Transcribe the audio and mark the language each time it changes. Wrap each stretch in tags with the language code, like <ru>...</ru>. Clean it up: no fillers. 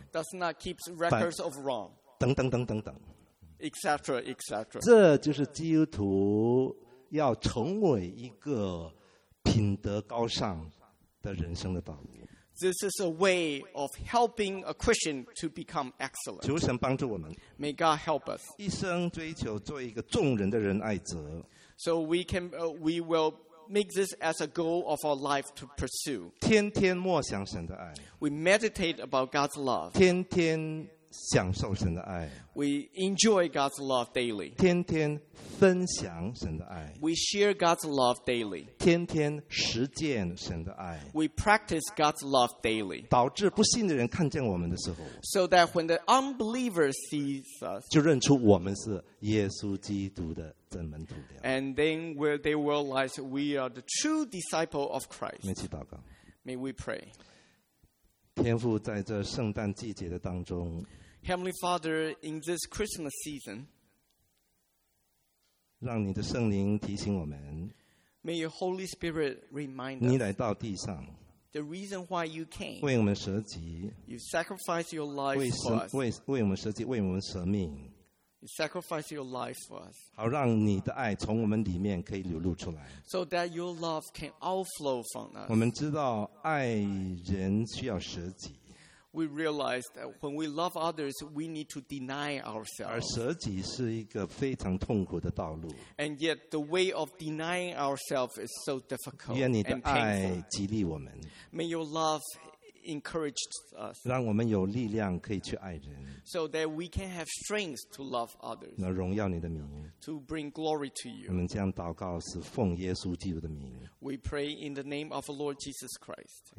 <en>Does not keep records of wrong.</en> <zh>等等等等等。</zh> <en>Etc. Etc.</en> <zh>这就是基督徒要成为一个品德高尚的人生的道路。</zh> <en>This is a way of helping a Christian to become excellent.</en> <zh>求神帮助我们。</zh> <en>May God help us.</en> <zh>一生追求做一个众人的仁爱者。</zh> <en>So we can, we will. Make this as a goal of our life to pursue.</en> <zh>天天默想神的爱。</zh> <en>We meditate about God's love.</en> <zh>天天享受神的爱。</zh> <en>We enjoy God's love daily.</en> <zh>天天分享神的爱。</zh> <en>We share God's love daily.</en> <zh>天天实践神的爱。</zh> <en>We practice God's love daily.</en> <zh>导致不信的人看见我们的时候。</zh> <en>So that when the unbeliever sees us,</en> <zh>就认出我们是耶稣基督的。</zh> <en>And then where they realize we are the true disciple of Christ.</en> <zh>一起祷告。</zh> <en>May we pray.</en> <zh>天父在这圣诞季节的当中。</zh> <en>Heavenly Father, in this Christmas season,</en> <zh>让你的圣灵提醒我们。</zh> <en>May your Holy Spirit remind us.</en> <zh>你来到地上。</zh> <en>The reason why you came.</en> <zh>为我们舍己。</zh> <en>You sacrificed your life for us.</en> <zh>为我们舍己，为我们舍命。</zh> <en>You sacrifice your life for us.</en> <zh>好让你的爱从我们里面可以流露出来。</zh> <en>So that your love can outflow from us.</en> <zh>我们知道爱人需要舍己。</zh> <en>We realize that when we love others, we need to deny ourselves.</en> <zh>而舍己是一个非常痛苦的道路。</zh> <en>And yet the way of denying ourselves is so difficult.</en> <zh>愿你的爱激励我们。</zh> <en>May your love encouraged us.</en> <zh>让我们有力量可以去爱人。</zh> <en>So that we can have strength to love others.</en> <zh>那荣耀你的名。</zh> <en>To bring glory to you.</en> <zh>我们这样祷告是奉耶稣基督的名。</zh> <en>We pray in the name of the Lord Jesus Christ.</en>